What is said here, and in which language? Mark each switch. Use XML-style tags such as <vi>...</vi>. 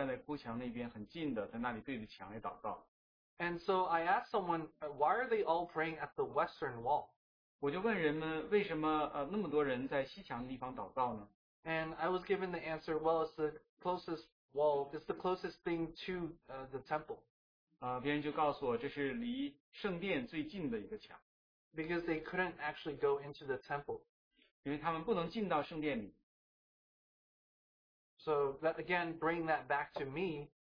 <zh>然后当在以色列在哭墙，在西墙那边，很多的人站在哭墙那边，很近的，在那里对着墙来祷告。</zh> <en>And so I asked someone, why are they all praying at the Western Wall?</en> <zh>我就问人们，为什么那么多人在西墙的地方祷告呢？</zh> <en>And I was given the answer, well, it's the closest wall, it's the closest thing to the temple.</en> <zh>别人就告诉我，这是离圣殿最近的一个墙。</zh> <en>Because they couldn't actually go into the temple.</en> <zh>因为他们不能进到圣殿里。</zh> <en>So that again, bring that back to me.</en>